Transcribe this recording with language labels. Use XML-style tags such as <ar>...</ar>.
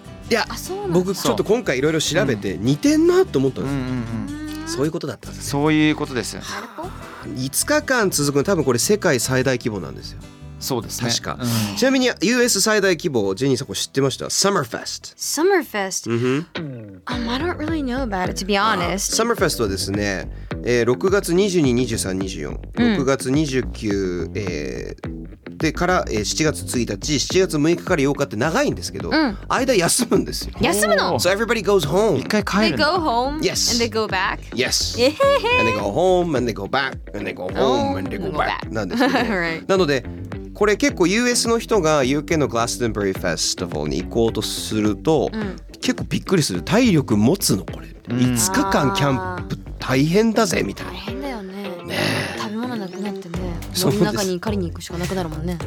<ja>いや、僕ちょっと今回いろいろ調べて似てんなと思ったんです、うんうんうんうん、そういうことだったんですね。そういうことです。 5日間続くの多分これ世界最大規模なんですよ。そうですね、確か、うん、ちなみに US 最大規模、ジェニーさんこれ知ってました？ Summerfest。 Summerfest、うん、</ja> <en>I don't really know about it to be honest。</en> <ja>Summerfest はですね、6月22、23、24、6月29、でから、7月1日、7月6日から8日って長いんですけど、うん、間休むんですよ。休むの？</ja> <en>So everybody goes home。</en> <ja>一回帰る。</ja> <en>They go home、 yes. and they go back。 Yes、 yeah. and they go home and they go back and they go home and they go back</en> <ja>なんですけど、</ja> <en>right.</en> <ja>なのでこれ結構 US の人が UK のグラストンベリーフェスティバルに行こうとすると、うん、結構びっくりする。体力持つのこれ、うん、5日間キャンプ大変だぜみたいな。大変だよ ね、ね、食べ物なくなってね、森の中に狩りに行くしかなくなるもんね。</ja>